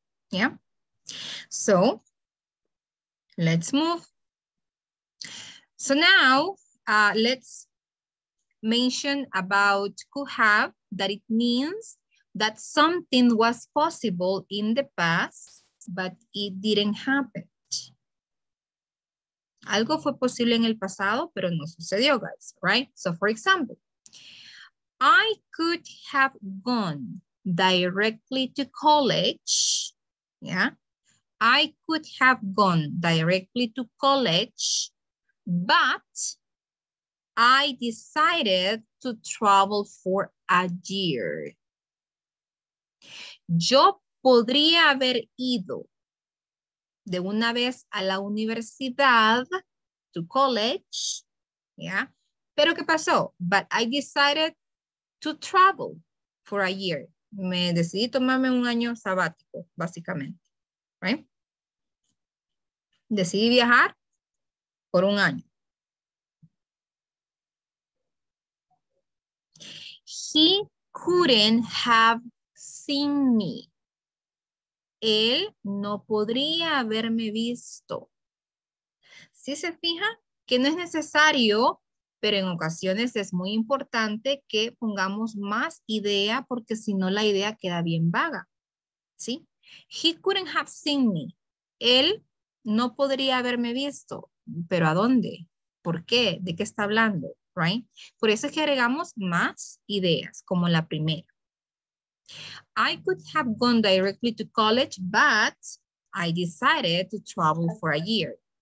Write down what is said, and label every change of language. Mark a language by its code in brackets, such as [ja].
[en] Yeah, so let's move. So now let's mention about could have, that it means that something was possible in the past, but it didn't happen. [es] Algo fue posible en el pasado, pero no sucedió, [en] guys, right? So for example, I could have gone directly to college. Yeah. I could have gone directly to college, but I decided to travel for a year. [es] Yo podría haber ido de una vez a la universidad, [en] to college. [es] Yeah. Pero ¿qué pasó? [en] But I decided to travel for a year. [es] Me decidí tomarme un año sabático, básicamente, right? Decidí viajar por un año. [en] He couldn't have seen me. [es] Él no podría haberme visto. ¿Sí se fija? Que no es necesario, pero en ocasiones es muy importante que pongamos más idea porque si no la idea queda bien vaga, ¿sí? [en] He couldn't have seen me. [es] Él no podría haberme visto. ¿Pero a dónde? ¿Por qué? ¿De qué está hablando? Right? Por eso es que agregamos más ideas, como la primera. [en] I could have gone directly to college, but I decided to travel for a year.